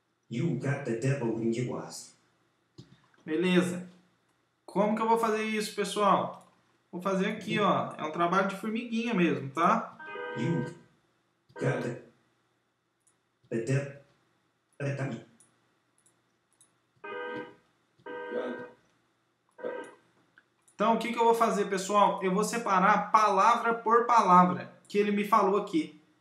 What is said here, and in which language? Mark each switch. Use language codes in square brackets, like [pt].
[en] You got the devil in your eyes. [pt] Beleza. Como que eu vou fazer isso, pessoal? Vou fazer aqui, ó. É um trabalho de formiguinha mesmo, tá? [en] You got the devil in your eyes. [pt] Então, o que que eu vou fazer, pessoal? Eu vou separar palavra por palavra que ele me falou aqui.